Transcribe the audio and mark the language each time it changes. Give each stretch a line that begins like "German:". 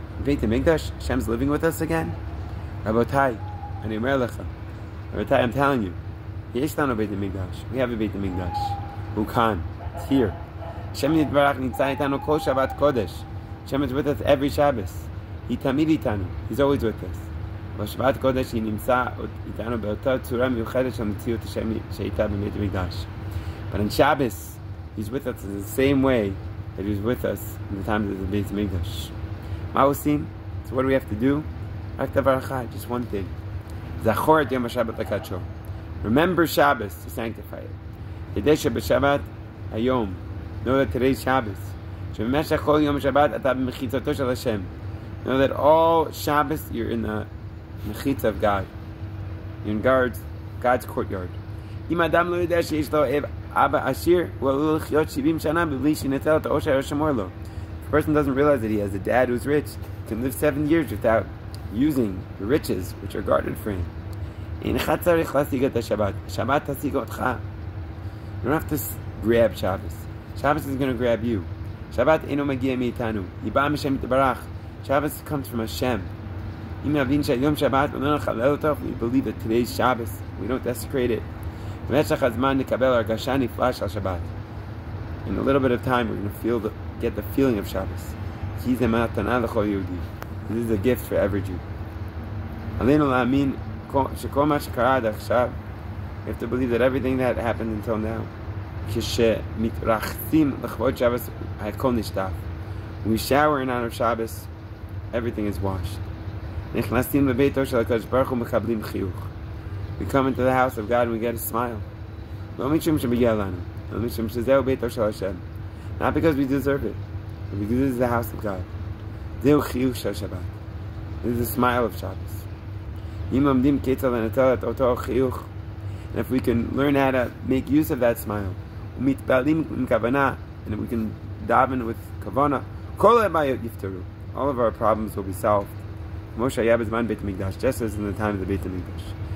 Hebrew: בית המקדש, השם
English: is living with us again.
Hebrew: רבותיי, אני אומר לך, רבותיי,
English: I'm telling you,
Hebrew: יש לנו בית המקדש,
English: we have a
Hebrew: בית המקדש. הוא כאן,
English: it's here.
Hebrew: השם מברך נמצא איתנו כל שבת קודש.
English: השם is with us every Shabbos.
Hebrew: היא תמיד איתנו,
English: he's always with us.
Hebrew: בשבת קודש היא נמצא איתנו באותה צורה מיוחדת של מציאות השם שהייתה בבית המקדש.
English: But on Shabbos, he's with us the same way that he was with us in the time of the בית המקדש.
Hebrew: מה עושים?
English: So what do we have to do?
Hebrew: רק דבר אחד,
English: just one thing.
Hebrew: זכור את יום השבת הקדשו.
English: Remember Shabbos to sanctify it.
Hebrew: כדי שבשבת היום,
English: know that today is Shabbos,
Hebrew: שבמשך כל יום השבת אתה במחיצתו של השם.
English: Know that all Shabbos you're in the מחיצה of God. You're in God's courtyard.
Hebrew: אם אדם לא יודע שיש לו אבא עשיר, הוא עלול לחיות 70 שנה בלי שנצל את העושר השמור לו.
English: If a person doesn't realize that he has a dad who's rich, he can live 7 years without using the riches which are guarded for him.
Hebrew: אינך צריך להשיג את השבת. השבת תשיג אותך.
English: You don't have to grab Shabbos. Shabbos is going to grab you.
Hebrew: Shabbat אינו מגיע מאיתנו. היא באה משם יתברך.
English: Shabbos comes from Hashem.
Hebrew: אם נבין שהיום שבת ולא נחלל אותו,
English: we believe that today is Shabbos. We don't desecrate it.
Hebrew: במשך הזמן נקבל הרגשה נפלאה של שבת.
English: In a little bit of time, we're going to get the feeling of Shabbos.
Hebrew: כי זה מתנה לכל יהודי.
English: This is a gift for every Jew.
Hebrew: עלינו להאמין שכל מה שקרה עד עכשיו,
English: you have to believe that everything that happened until now,
Hebrew: כשמתרחצים לכבוד שבת, הכל נשטף.
English: We shower in honor of Shabbos, everything is washed.
Hebrew: נכנסים לביתו של הקדוש ברוך הוא ומקבלים חיוך.
English: We come into the house of God and we get a smile.
Hebrew: לא משום שמגיע לנו, לא משום שזהו ביתו של השם.
English: Not because we deserve it, but because this is the house of God.
Hebrew: זהו חיוך של שבת.
English: This is the smile of Shabbos.
Hebrew: אם עומדים כיצד לנצל את אותו חיוך,
English: and if we can learn how to make use of that smile,
Hebrew: ומתפעלים עם כוונה,
English: and if we can daven with kavana,
Hebrew: כל הבעיות יפתרו.
English: All of our problems will be solved. Moshe
Hebrew: היה בזמן
English: בית המקדש, just as in the time of the בית המקדש.